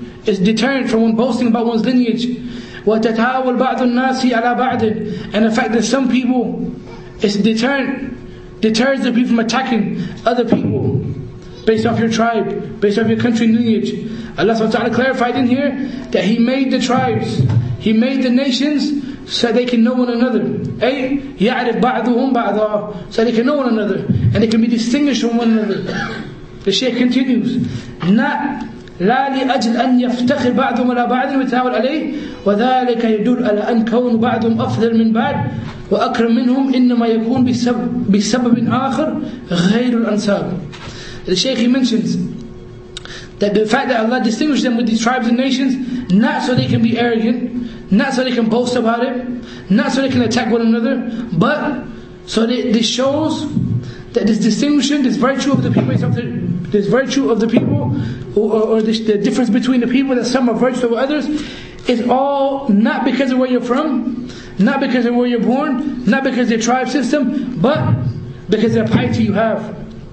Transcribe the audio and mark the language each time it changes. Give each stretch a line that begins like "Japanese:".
English: Is deterrent from one boasting about one's lineage.
Arabic: وَتَتَاوَلْ بَعْضُ النَّاسِ عَلَى بَعْضٍ
English: And the fact that some people, it's deterrent, deters the people from attacking other people based off your tribe, based off your country lineage. Allah subhanahu wa ta'ala clarified in here that He made the tribes, He made the nations so they can know one another. Ay,
Arabic: يَعْرِفْ بَعْضُهُمْ بَعْضًا
English: So they can know one another and they can be distinguished from one another. The Shaykh continues, not
Arabic: لا لأجل أن يفتخر بعضهم على بعض ويتناول عليه وذلك يدل على أن كون بعضهم أفضل من بعض وأكرم منهم إنما يكون بسبب آخر غير الأنساب.
English: The Shaykh, he mentions that the fact that Allah distinguished them with these tribes and nations, not so they can be arrogant, not so they can boast about it, not so they can attack one another, but so that this shows that this distinction, this virtue of the people, is of the This virtue of the people, or the difference between the people, that some are virtuous over others, is all not because of where you're from, not because of where you're born, not because of your tribe system, but because of the piety you have.